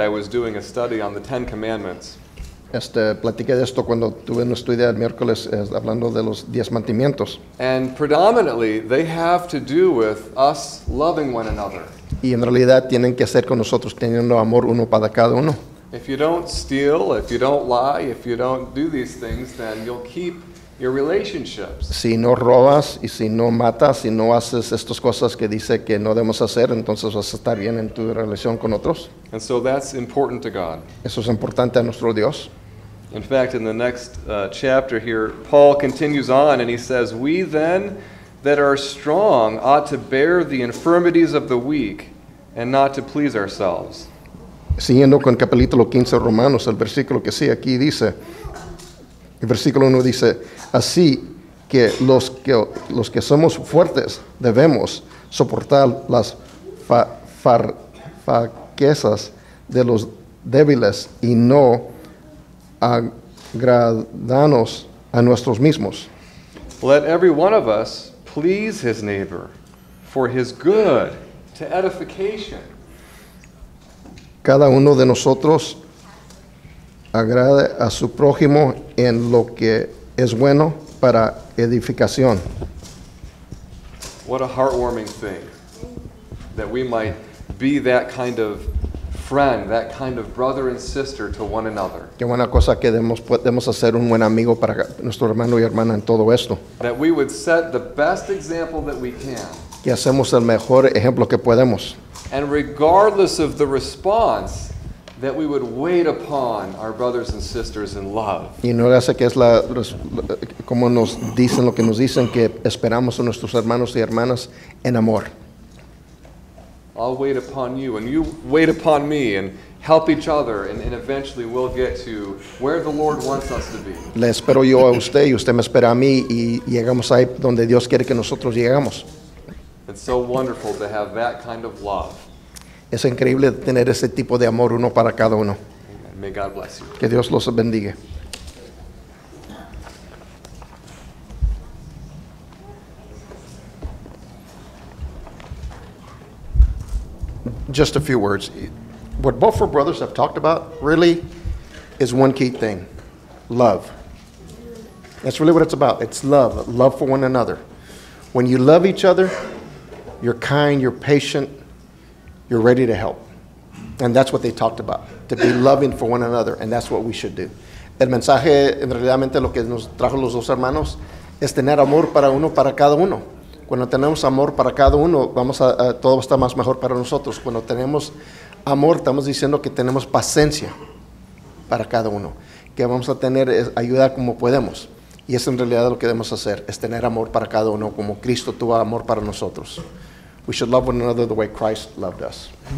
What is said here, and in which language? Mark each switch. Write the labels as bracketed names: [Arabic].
[English] I was doing a study on the Ten Commandments. [Spanish] Platiqué de esto cuando tuve un estudio el miércoles hablando de los 10 mandamientos. [English] And predominantly, they have to do with us loving one another. [Spanish] Y en realidad tienen que hacer con nosotros teniendo amor uno para cada uno. [English] If you don't steal, if you don't lie, if you don't do these things, then you'll keep your relationships. [Spanish] Si no robas y si no matas y no haces estas cosas que dice que no debemos hacer, entonces vas a estar bien en tu relación con otros. [English] And so that's important to God. [Spanish] Eso es importante a nuestro Dios. [English] In fact, in the next chapter here, Paul continues on and he says, "We then that are strong ought to bear the infirmities of the weak and not to please ourselves." [Spanish] Siguiendo con capítulo 15 de Romanos, el versículo que sigue aquí dice, el versículo 1 dice, así que los que somos fuertes debemos soportar las faquezas de los débiles y no agradarnos a nosotros mismos. [English] Let every one of us please his neighbor for his good to edification. [Spanish] Cada uno de nosotros agrade a su prójimo en lo que es bueno para edificación. [English] What a heartwarming thing that we might be that kind of friend, that kind of brother and sister to one another. [Spanish] Qué buena cosa que podemos hacer un buen amigo para nuestro hermano y hermana en todo esto. [English] That we would set the best example that we can. [Spanish] Que hacemos el mejor ejemplo que podemos. [English] And regardless of the response, that we would wait upon our brothers and sisters in love. [Spanish] Y no le hace que es la como nos dicen lo que nos dicen que esperamos a nuestros hermanos y hermanas en amor. [English] I'll wait upon you, and you wait upon me, and help each other, and eventually we'll get to where the Lord wants us to be. [Spanish] Le espero yo a usted y usted me espera a mí y llegamos ahí donde Dios quiere que nosotros lleguemos. [English] It's so wonderful to have that kind of love. [Spanish] Es increíble tener ese tipo de amor uno para cada uno. [English] Amen. May God bless you. [Spanish] Que Dios los bendiga. [English] Just a few words. What both four brothers have talked about really is one key thing. Love. That's really what it's about. It's love. Love for one another. When you love each other, you're kind, you're patient, you're ready to help. And that's what they talked about, to be loving for one another, and that's what we should do. [Spanish] El mensaje, en realidad, lo que nos trajo los dos hermanos, es tener amor para uno, para cada uno. Cuando tenemos amor para cada uno, todo va a estar más mejor para nosotros. Cuando tenemos amor, estamos diciendo que tenemos paciencia para cada uno, que vamos a tener ayuda como podemos. Y es en realidad lo que debemos hacer, es tener amor para cada uno como Cristo tuvo amor para nosotros. [English] We should love one another the way Christ loved us.